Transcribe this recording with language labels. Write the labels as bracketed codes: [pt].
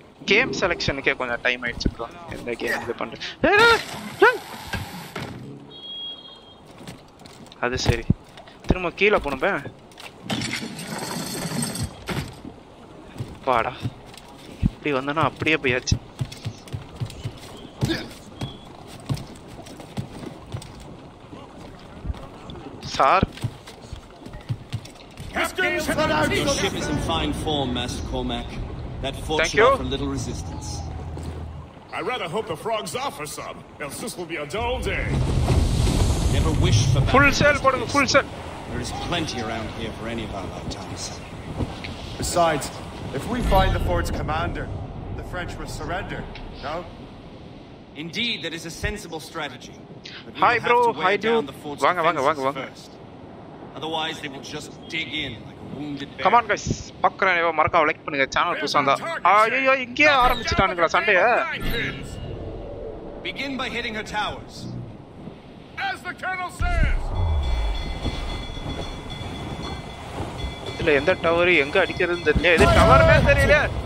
[ta] Game செலெக்ஷனுக்கே கொஞ்சம் time ஆயிடுச்சு எந்த கேம் இது பண்ணுறேன் அது சரி திரும்ப கீழே போனப்ப பாடா இப்படி வந்தோன்னா அப்படியே போயாச்சு sir [en] Your ship is in fine form, Master Cormac. That fort should offer little resistance. I rather hope the frogs offer some, else this will be a dull day. Never wish for full sail, Gordon, full sail. There is plenty around here for any of our lifetimes. Besides, if we find the fort's commander, the French will surrender, no? Indeed, that is a sensible strategy. Hi, bro, hi, dude. [ta] Wanga. [en] Otherwise, they will just dig in like a wounded bear. Come on, guys. [ta] பக்கறனே வா மறக்காம like பண்ணுங்க channel புதுசா ஐயோ இங்கே ஆரம்பிச்சிட்டானுங்கடா சண்டைய [en] begin by hitting her towers as the colonel says [ta] இல்ல எந்த tower எங்க அடிக்கிறதுன்னு தெரியல இது டவர்மே தெரியல